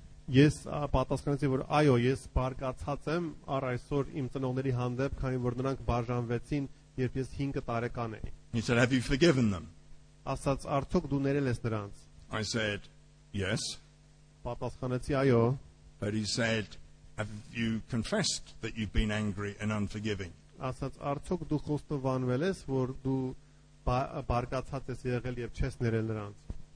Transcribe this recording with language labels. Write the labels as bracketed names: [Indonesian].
[Armenian] Ես պատասխանեցի, որ այո, ես բարկացած եմ առ այսօր իմ ծնողների հանդեպ, քանի որ նրանք բաժանվեցին, երբ ես 5 տարեկան էի։ [English] He said, "Have you forgiven them?" [Armenian] Ասաց, արդյոք դու ներել ես նրանց։ [English] I said, "Yes." [Armenian] Պատասխանեցի, այո։ [English] But he said, "Have you confessed that you've been angry and unforgiving?" [Armenian] Ասաց, արդյոք դու խոստովանվել ես, որ դու բարկացած ես եղել եւ չես ներել նրանց։